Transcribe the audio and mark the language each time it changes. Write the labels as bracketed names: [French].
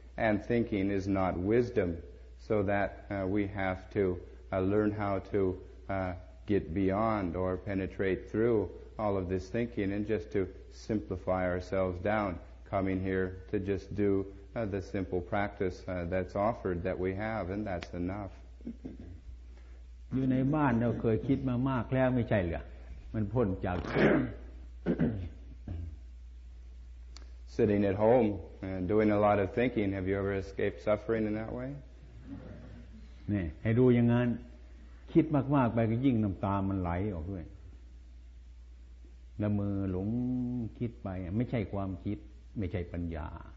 [English] And thinking is not wisdom, so that we have to learn how to. Get beyond or penetrate through all of this thinking and just to simplify ourselves down coming here to just do the simple practice that's offered that we have and that's enough [Thai] อยู่ในบ้านเราเคยคิดมามากแล้วไม่ใช่เหรอมันพ้นจาก [English] Sitting at home and doing a lot of thinking have you ever escaped suffering in that way [Thai] นี่ให้ดูอย่างนั้นคิดมากๆไปก็ยิ่งน้ำตามันไหลออกด้วยละมือหลงคิดไปไม่ใช่ความคิดไม่ใช่ปัญญา